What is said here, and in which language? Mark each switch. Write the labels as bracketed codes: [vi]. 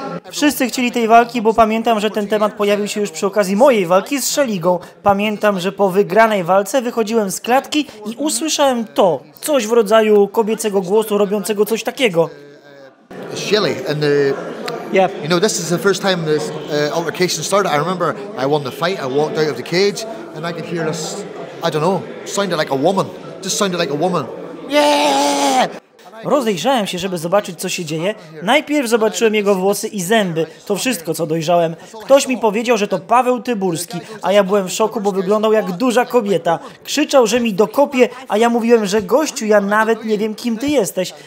[pl] Wszyscy chcieli tej walki, bo pamiętam, że ten temat pojawił się już przy okazji mojej walki z Szeligą. Pamiętam, że po wygranej walce wychodziłem z klatki i usłyszałem to. Coś w rodzaju kobiecego głosu robiącego coś takiego. [en] Shelly and the... Yeah. You know, this is the first time this altercation started. I remember I won the fight, I walked out of the cage and I could hear this, I don't know, sounded like a woman. Just sounded like a woman. Yeah! [pl] Rozejrzałem się, żeby zobaczyć, co się dzieje. Najpierw zobaczyłem jego włosy i zęby. To wszystko, co dojrzałem. Ktoś mi powiedział, że to Paweł Tyburski, a ja byłem w szoku, bo wyglądał jak duża kobieta. Krzyczał, że mi dokopie, a ja mówiłem, że gościu, ja nawet nie wiem, kim ty jesteś.